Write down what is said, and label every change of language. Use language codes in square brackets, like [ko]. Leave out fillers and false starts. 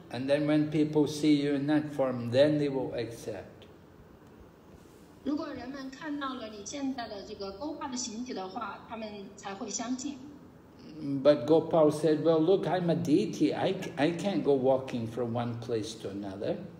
[en] And then when people see you in that form, then they will accept. [zh] 如果人们看到了你现在的这个Gopa的形体的话，他们才会相信。 [en] But Gopal said, well, look, I'm a deity. I can't go walking from one place to another.